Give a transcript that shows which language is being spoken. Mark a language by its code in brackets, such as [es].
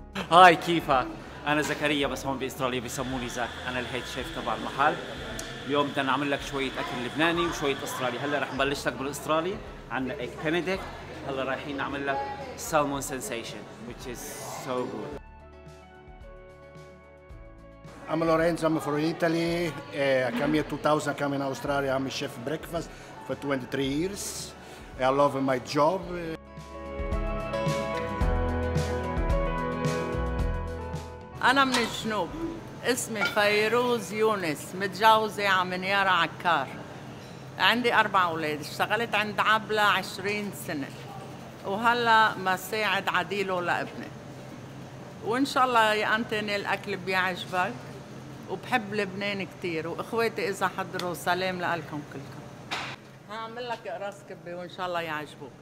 [ar] هاي كيفا انا زكريا بس هون باستراليا بيسموني زاك انا الهيد شيف تبع المحل اليوم بدنا نعمل لك شويه اكل لبناني وشويه استرالي هلا رح نبلش لك بالاسترالي عندنا ايك بنديك هلا رايحين نعمل لك سالمون سنسيشن [en] which is so good I'm Lorenzo I'm from Italy I came here 2000 I came in Australia I'm a chef breakfast for 23 years I love my job [ar] أنا من الجنوب اسمي فيروز يونس متجوزة من يارا عكار عندي 4 أولاد اشتغلت عند عبلة 20 سنة وهلا مساعد عديله لابني وإن شاء الله يا أنتني الأكل بيعجبك وبحب لبنان كتير وإخواتي إذا حضروا سلام لألكم كلكم هعمل لك رأس كبه وإن شاء الله يعجبوك